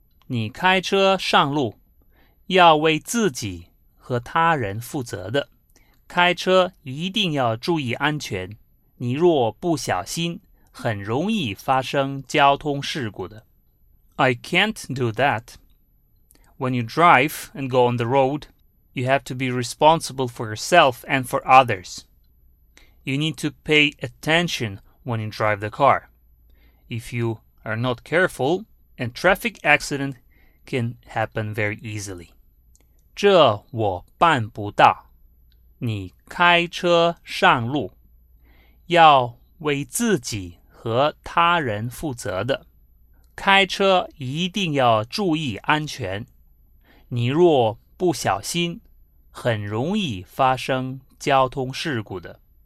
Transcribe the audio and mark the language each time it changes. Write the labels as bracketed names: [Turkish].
[Chinese] 你开车上路，要为自己和他人负责的。开车一定要注意安全。你若不小心，很容易发生交通事故的。 [English] I can't do that. When you drive and go on the road, you have to be responsible for yourself and for others. You need to pay attention when you drive the car. If you are not careful, a traffic accident can happen very easily. [Chinese] 这我办不到。你开车上路，要为自己和他人负责的。开车一定要注意安全。你若不小心，很容易发生交通事故的。